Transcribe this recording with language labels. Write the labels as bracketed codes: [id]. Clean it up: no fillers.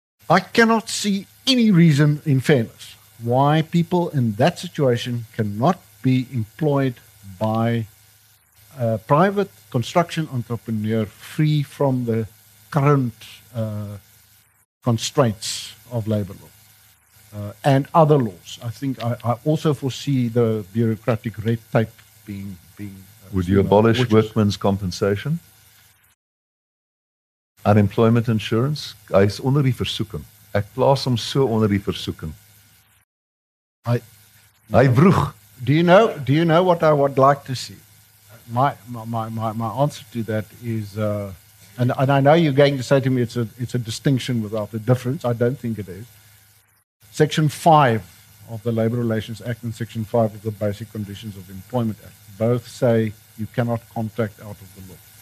[en] I cannot see any reason, in fairness, why people in that situation cannot be employed by a private construction entrepreneur free from the current constraints of labor law and other laws. I think I also foresee the bureaucratic red tape being would you abolish workmen's compensation? Unemployment insurance? [af] Is onder die versoeking. Ek plaas hom so onder die versoeking. Hy vroeg. [en] Do you know what I would like to see? My answer to that is, and I know you're going to say to me it's a distinction without a difference. I don't think it is. Section 5 of the Labor Relations Act and Section 5 of the Basic Conditions of Employment Act both say you cannot contract out of the law.